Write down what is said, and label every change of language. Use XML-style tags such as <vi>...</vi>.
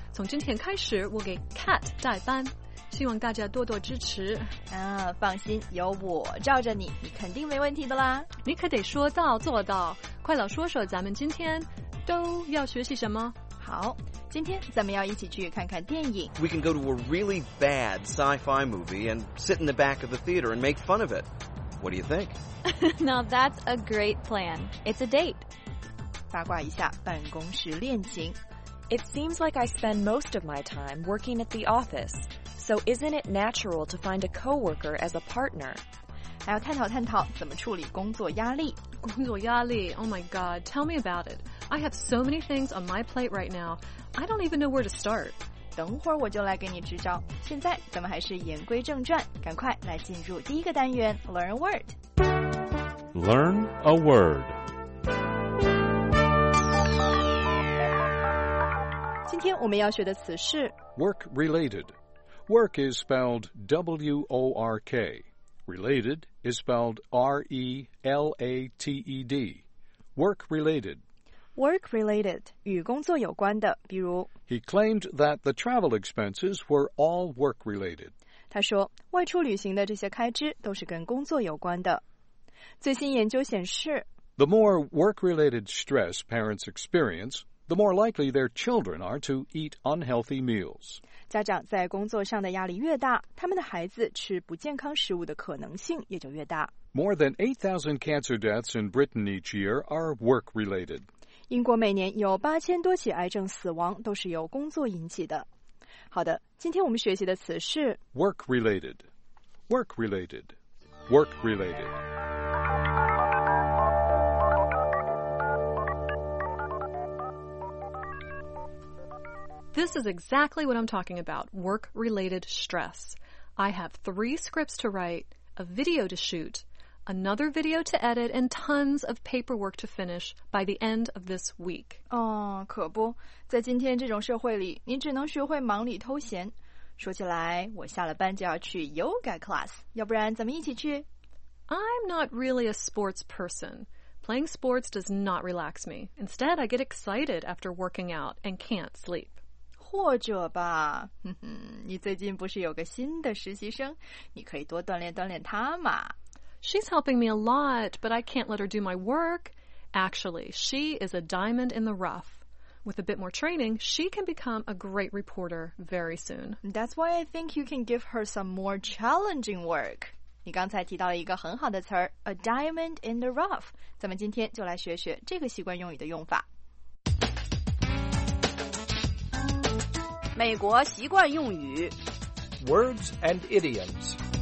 <zh>从今天开始，我给 Cat 带班，希望大家多多支持。啊，放心，有我罩着你，你肯定没问题的啦。你可得说到做到，快老说说咱们今天都要学习什么。好，今天咱们要一起去看看电影。</zh> <en>We can go to a really bad sci-fi movie and sit in the back of the theater and make fun of it. What do you think? Now that's a great plan. It's a date.</en> <zh>八卦一下办公室恋情。</zh> <en>It seems like I spend most of my time working at the office, so isn't it natural to find a coworker as a partner?</en> <zh>还要探讨探讨怎么处理工作压力。工作压力</zh> <en>,Oh my god, tell me about it. I have so many things on my plate right now, I don't even know where to start.</en> <zh>等会儿我就来给你支招。现在咱们还是言归正传，赶快来进入第一个单元</zh> <en>Learn a Word. Learn a Word.</en> <zh>今天我们要学的词是</zh> <en>Work related. Work is spelled W-O-R-K. Related is spelled R-E-L-A-T-E-D. Work related. Work related,</en> <zh>与工作有关的，比如</zh> <en>He claimed that the travel expenses were all work related.</en> <zh>他说，外出旅行的这些开支都是跟工作有关的。最新研究显示</zh> <en>The more work related stress parents experience, the more likely their children are to eat unhealthy meals.</en> <zh>家长在工作上的压力越大，他们的孩子吃不健康食物的可能性也就越大。</zh> <en>More than 8,000 cancer deaths in Britain each year are work related.</en> <zh>英国每年有8000多起癌症死亡都是由工作引起的。好的，今天我们学习的词是</zh> <en>Work related. Work related. Work related. This is exactly what I'm talking about. Work related stress. I have 3 scripts to write, a video to shoot. Another video to edit and tons of paperwork to finish by the end of this week.</en> <zh>哦，可不，在今天这种社会里，你只能学会忙里偷闲。说起来，我下了班就要去</zh> <en>yoga class，</en> <zh>要不然咱们一起去。</zh> <en>I'm not really a sports person. Playing sports does not relax me. Instead, I get excited after working out and can't sleep. 或者吧，你最近不是有个新的实习生？你可以多锻炼锻炼他嘛。 She's helping me a lot, but I can't let her do my work. Actually, she is a diamond in the rough. With a bit more training, she can become a great reporter very soon. That's why I think you can give her some more challenging work.</en> <zh>你刚才提到了一个很好的词儿</zh> <en>a diamond in the rough.</en> <zh>咱们今天就来学学这个习惯用语的用法。美国习惯用语</zh> <en>Words and idioms.</en>